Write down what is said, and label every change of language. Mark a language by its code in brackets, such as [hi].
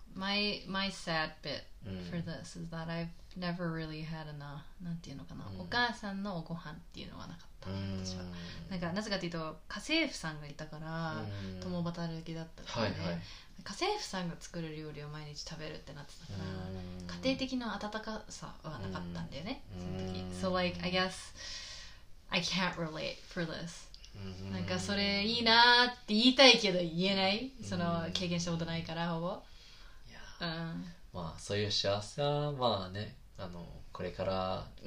[en] My sad bit for this is that I've never really had [ja] なんていうのかな、お母さんのおご飯っていうのはなかった。私は。なんかなぜかというと、家政婦さんがいたから、共働きだったので。はいはい。家政婦さんが作る料理を毎日食べるってなってたから、家庭的な温かさはなかったんだよね、その時。 [en] So like, I guess I can't relate for this. [ja] なんかそれいいなって言いたいけど言えない、その経験したことないからほぼ。いや、まあそういう幸せはまあね、あのこれから